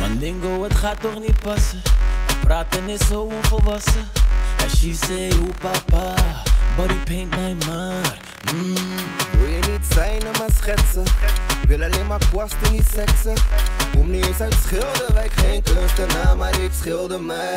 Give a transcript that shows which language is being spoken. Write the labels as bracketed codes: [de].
[nl] Mandingo, het gaat toch niet passen. Praten is zo onvolwassen. [en] And she say, oh papa, body paint my mind. [nl] Wil je niet zijn om maar schetsen? Wil alleen maar kwasten, niet seksen. Kom niet eens uit Schilderwijk, geen kunstenaar, maar ik schilder mij.